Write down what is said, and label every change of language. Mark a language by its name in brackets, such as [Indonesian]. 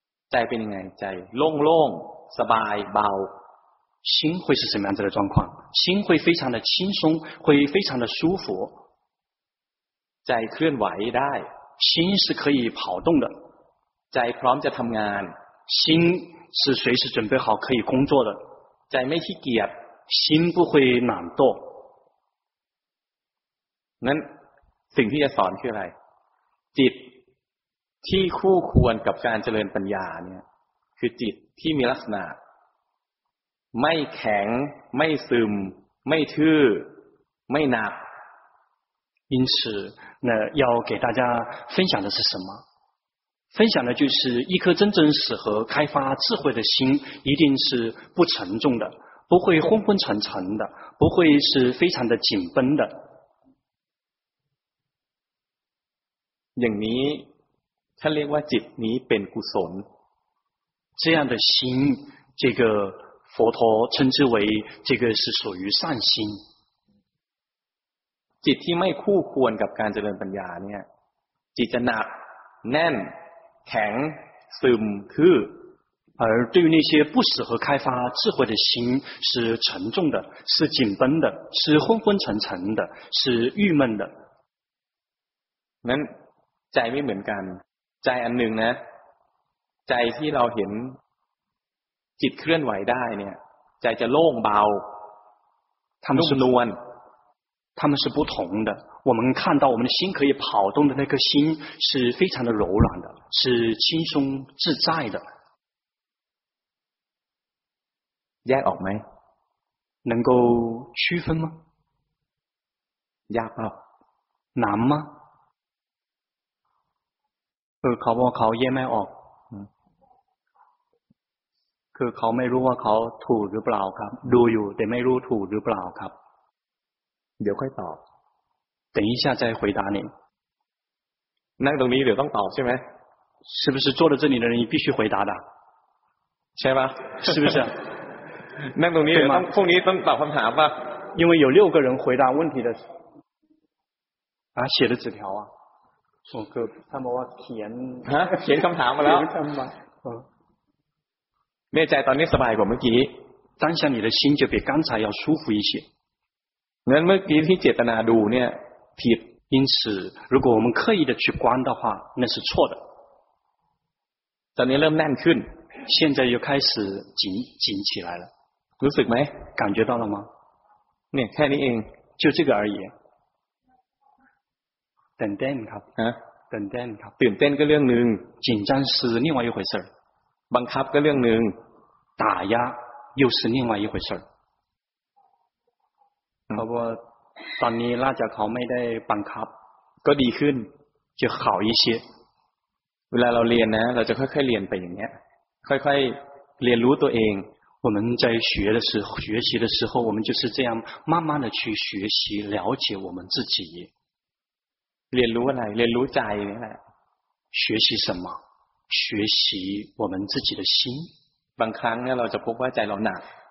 [Thai] ใจเป็นยังไงใจโล่งๆสบายเบา [Chinese] 心会是什么样子的状况？心会非常的轻松，会非常的舒服。 [Thai] 在เคลื่อนไหวได้ [Chinese] ，心是可以跑动的。 [Thai] 在พร้อมจะทำงาน， [Chinese] 心是随时准备好可以工作的。 [Thai] 在ไม่ขี้เกียจ， [Chinese] 心不会懒惰。 [Thai] นั้นสิ่งที่จะสอนคืออะไร？ จิตที่คู่ควรกับการเจริญปัญญาเนี่ยคือจิตที่มีลักษณะไม่แข็งไม่ซึมไม่ทื่อไม่หนัก [Chinese] 因此那要给大家分享的是什么分享的就是一颗真正适合开发智慧的心一定是不沉重的不会昏昏沉沉的不会是非常的紧绷的 [Thai] อย่างนี้ท่านเรียกว่าจิตนี้เป็นกุศล [Chinese] 这样的心这个佛陀称之为这个是属于善心 [Thai] จิตที่ไม่คู่ควรกับการเจริญปัญญาเนี่ยจิตจะหนักแน่นแข็งซึมคือ [Chinese] 而对于那些不适合开发智慧的心是沉重的是紧绷的是昏昏沉沉的是郁闷的 [Thai] นั้นใจไม่เหมือนกันใจอันหนึ่งนะใจที่เราเห็นจิตเคลื่อนไหวได้เนี่ยใจจะโล่งเบา ทําสนวน [Chinese] 他们是不同的我们看到我们的心可以跑动的那颗心是非常的柔软的是轻松自在的 [Thai] แยกออกไหม [Chinese] 能够区分吗 [Thai] ยากเปล่า [Chinese] 难吗 [Thai] เขาแยกไม่ออกคือเขาไม่รู้ว่าเขาถูกหรือเปล่าครับดูอยู่แต่ไม่รู้ถูกหรือเปล่าครับ เดี๋ยวค่อยตอบ [Chinese] 等一下再回答你 [Thai] นั่งตรงนี้เดี๋ยวต้องตอบใช่ไหม [Chinese] 是不是坐在这里的人必须回答的 [Thai] ใช่ไหม [Chinese] 是不是 [Thai] นั่งตรงนี้เดี๋ยวต้องพรุ่งนี้ต้องตอบคำถามป่ะ [Chinese] 因为有六个人回答问题的啊写的纸条啊 [Thai] โอ้ก็ทำว่าเขียน ฮะเขียนคำถามมาแล้ว เขียนคำถาม แม่ใจตอนนี้สบายกว่าเมื่อกี้ [Chinese] 当下你的心就比刚才要舒服一些 [Thai] งั้นเมื่อกี้ที่เจตนาดูเนี่ยผิด [Chinese] 因此如果我们刻意的去观的话那是错的 [Thai] ตอนนี้เริ่มแน่นขึ้น [Chinese] 现在又开始紧起来了 [Thai] รู้สึกไหม [Chinese] 感觉到了吗 [Thai] เนี่ยแค่นี้เอง [Chinese] 就这个而已 [Thai] ตื่นเต้นครับ ฮะ ตื่นเต้นครับ ตื่นเต้นก็เรื่องนึง [Chinese] 紧张是另外一回事 [Thai] บังคับก็เรื่องหนึ่ง [Chinese] 打压又是另外一回事儿 [Thai] เพราะว่าตอนนี้ล่าจากเขาไม่ได้บังคับ ก็ดีขึ้น [Chinese] 就好一些 [Thai] เวลาเราเรียนนะเราจะค่อยๆเรียนไปอย่างเงี้ยค่อยๆเรียนรู้ตัวเอง [Chinese] 我们在学的时候学习的时候我们就是这样慢慢的去学习了解我们自己 [Thai] เรียนรู้อะไรเรียนรู้ใจนี่แหละ [Chinese] 学习什么学习我们自己的心。 [Thai] บางครั้งเนี่ยเราจะพบว่าใจเราหนัก